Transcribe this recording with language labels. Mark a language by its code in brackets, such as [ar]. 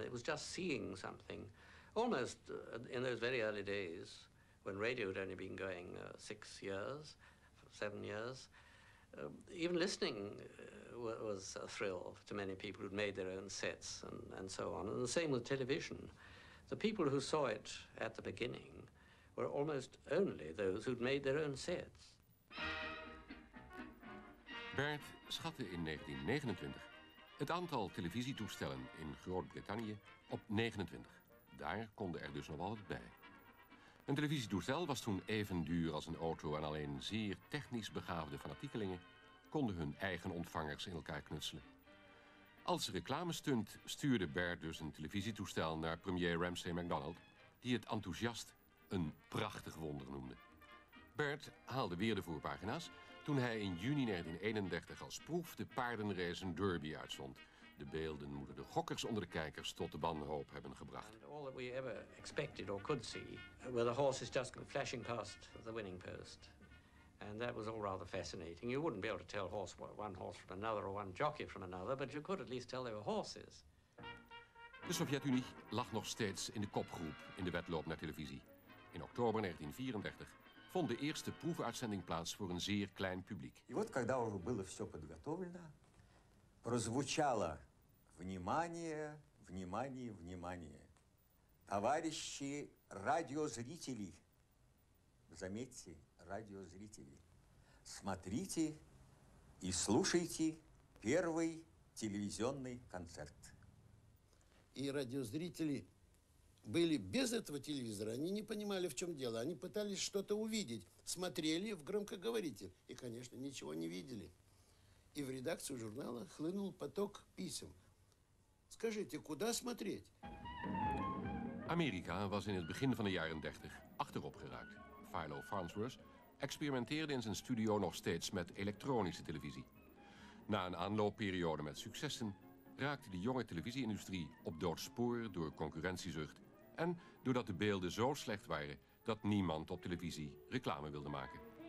[en] It was just seeing something. Almost in those very early days, when radio had only been going 6 years, 7 years, even listening was a thrill to many people who'd made their own sets and so on. And the same with television. The people who saw it at the beginning were almost only those who'd made their own sets. [nl] Bert schatte in 1929 het aantal televisietoestellen in Groot-Brittannië op 29. Daar konden er dus nog wel wat bij. Een televisietoestel was toen even duur als een auto en alleen zeer technisch begaafde fanatiekelingen konden hun eigen ontvangers in elkaar knutselen. Als reclamestunt stuurde Bert dus een televisietoestel naar premier Ramsay MacDonald, die het enthousiast een prachtig wonder noemde. Bert haalde weer de voorpagina's toen hij in juni 1931 als proef de paardenrace een derby uitzond. De beelden moeten de gokkers onder de kijkers tot de wanhoop hebben gebracht. And all that we ever expected or could see were the horses just flashing past the winning post. And that was all rather fascinating. You wouldn't be able to tell one horse from another or one jockey from another, but you could at least tell they were horses. De Sovjet-Unie lag nog steeds in de kopgroep in de wedloop naar televisie. In oktober 1934 vond de eerste proefuitzending plaats voor een zeer klein publiek. [ru] En вот когда уже было все подготовлено, прозвучало внимание, внимание, внимание. Товарищи радиозрители, заметьте, радиозрители, смотрите и слушайте первый телевизионный концерт. И радиозрители были без этого телевизора, они не понимали, в чем дело. Они пытались что-то увидеть, смотрели в громкоговоритель и, конечно, ничего не видели. И в редакцию журнала хлынул поток писем. Скажите, куда смотреть? [nl] Америка was in het begin van de jaren 30 achterop geraakt. Philo Farnsworth experimenteerde in zijn studio nog steeds met elektronische televisie. Na een aanloopperiode met successen raakte de jonge televisieindustrie op doodspoor door concurrentiezucht en doordat de beelden zo slecht waren dat niemand op televisie reclame wilde maken.